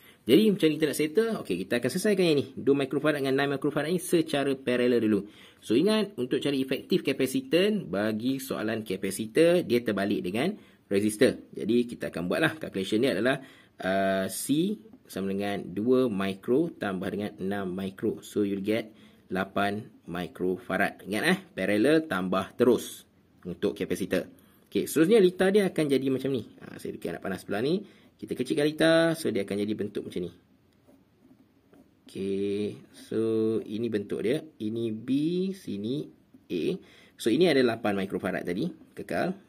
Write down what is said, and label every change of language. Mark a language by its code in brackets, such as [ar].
[ms] Jadi, macam kita nak settle. Okay, kita akan selesaikan yang ni. 2 microfarad dengan 9 microfarad ni secara paralel dulu. So, ingat untuk cari efektif capacitance, bagi soalan capacitor, dia terbalik dengan resistor. Jadi, kita akan buatlah. Calculation ni adalah C sama dengan 2 micro tambah dengan 6 micro. [en] So, you'll get 8 microfarad. [ms] Ingat paralel tambah terus untuk capacitor. Okay, seterusnya litar dia akan jadi macam ni. Saya fikir nak panas sebelah ni. Kita kecilkan litar, so dia akan jadi bentuk macam ni. Okay, so ini bentuk dia. Ini B, sini A. So ini ada 8 microfarad tadi, kekal.